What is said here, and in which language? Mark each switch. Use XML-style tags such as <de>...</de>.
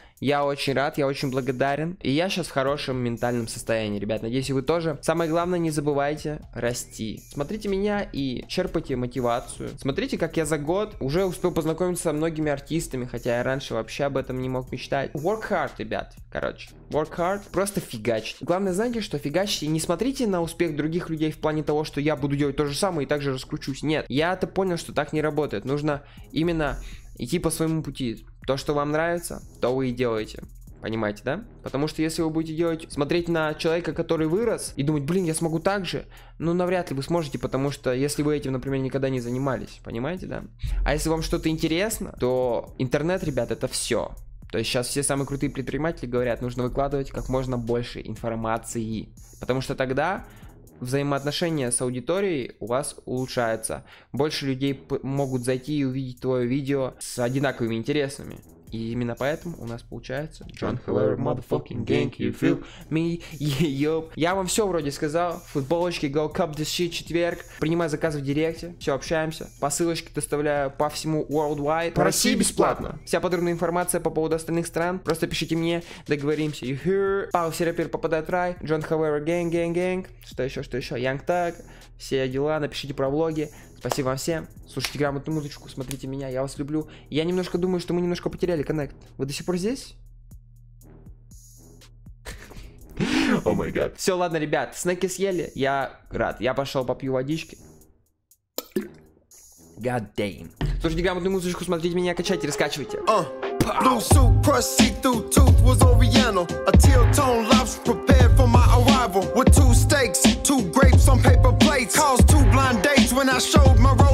<ru>Я очень рад, я очень благодарен. И я сейчас в хорошем ментальном состоянии, ребят. Надеюсь, и вы тоже. Самое главное, не забывайте расти. Смотрите меня и черпайте мотивацию. Смотрите, как я за год уже успел познакомиться со многими артистами, хотя я раньше вообще об этом не мог мечтать.</ru> <en>Work hard,</en> <ru>ребят. Короче,</ru> <en>work hard.</en> <ru>Просто фигачьте. Главное, знаете, что фигачьте. Не смотрите на успех других людей в плане того, что я буду делать то же самое и также раскручусь. Нет, я это понял, что так не работает. Нужно именно идти по своему пути. То, что вам нравится, то вы и делаете. Понимаете, да? Потому что если вы будете делать, смотреть на человека, который вырос, и думать, блин, я смогу так же, ну, навряд ли вы сможете, потому что если вы этим, например, никогда не занимались, понимаете, да? А если вам что-то интересно, то интернет, ребят, это все. То есть сейчас все самые крутые предприниматели говорят, нужно выкладывать как можно больше информации. Потому что тогда взаимоотношения с аудиторией у вас улучшаются. Больше людей могут зайти и увидеть твое видео с одинаковыми интересами. И именно поэтому у нас получается John Heller,</ru> <en>motherfucking gang, can you feel me?</en> <ru>Yep. Я вам все вроде сказал. Футболочки,</ru> <en>go cup this shit,</en> <ru>четверг. Принимаю заказы в директе. Все, общаемся. По ссылочке доставляю по всему worldwide. По России бесплатно. Вся подробная информация по поводу остальных стран. Просто пишите мне, договоримся.</ru> <en>You hear?</en> <ru>Пау, все рэперы попадают в рай. John Heller, gang, gang, gang. Что еще? Young Thug. Все дела, напишите про влоги. Спасибо вам всем. Слушайте грамотную музычку, смотрите меня, я вас люблю. Я немножко думаю, что мы немножко потеряли коннект. Вы до сих пор здесь?</ru> <en>О май гад.</en> <ru>Все, ладно, ребят, снеки съели. Я рад. Я пошел попью водички.</ru> <en>God damn.</en> <ru>Слушайте грамотную музычку, смотрите меня, качайте, раскачивайте.</ru> <en>Blue suit, crusty through tooth was Oriental. A teal-toned lobster prepared for my arrival. With two steaks, two grapes on paper plates. Caused two blind dates when I showed my</en>